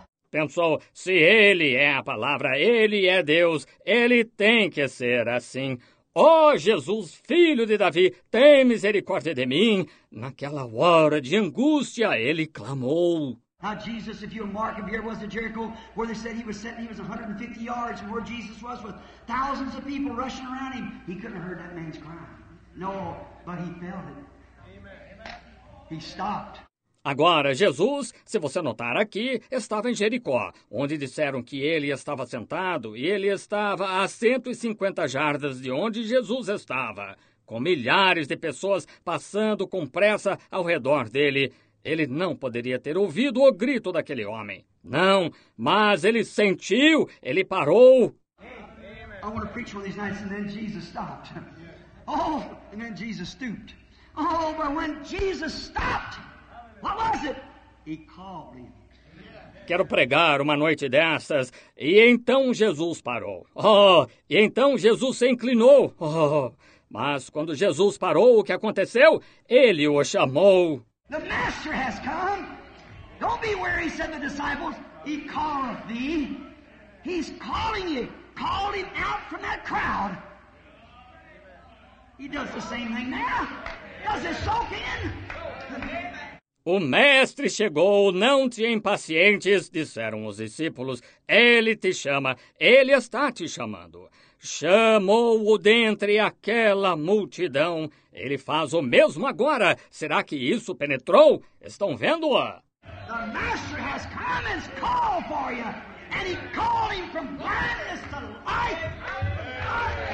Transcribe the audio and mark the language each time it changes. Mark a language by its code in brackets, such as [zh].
[pt] Pensou, se ele é a palavra, ele é Deus, ele tem que ser assim. Oh, Jesus, filho de Davi, tem misericórdia de mim. Naquela hora de angústia, ele clamou. [en] Now, Jesus, if you'll mark, if here was the Jericho, where they said he was sitting, he was 150 yards, and where Jesus was with thousands of people rushing around him, he couldn't have heard that man's cry. No, but he felt it. He stopped. [pt] Agora, Jesus, se você notar aqui, estava em Jericó, onde disseram que ele estava sentado e ele estava a 150 jardas de onde Jesus estava, com milhares de pessoas passando com pressa ao redor dele. Ele não poderia ter ouvido o grito daquele homem. Não, mas ele sentiu, ele parou. Eu quero preachar uma noite e depois Jesus parou. Oh, e depois Jesus [en] stooped. [pt] Oh, mas quando Jesus parou. [en] What was it? He called him. [pt] Quero pregar uma noite dessas, e então Jesus parou. Oh, e então Jesus se inclinou. Oh, mas quando Jesus parou, o que aconteceu? Ele o chamou. [en] The master has come. Don't be weary, said the disciples. He calleth thee. He's calling you. Call him out from that crowd. He does the same thing now. Does it soak in? [pt] O mestre chegou, não te impacientes, disseram os discípulos. Ele te chama, ele está te chamando. Chamou-o dentre aquela multidão. Ele faz o mesmo agora. Será que isso penetrou? Estão vendo-a? [en] The master has come and called for you. And he called him from blindness to life.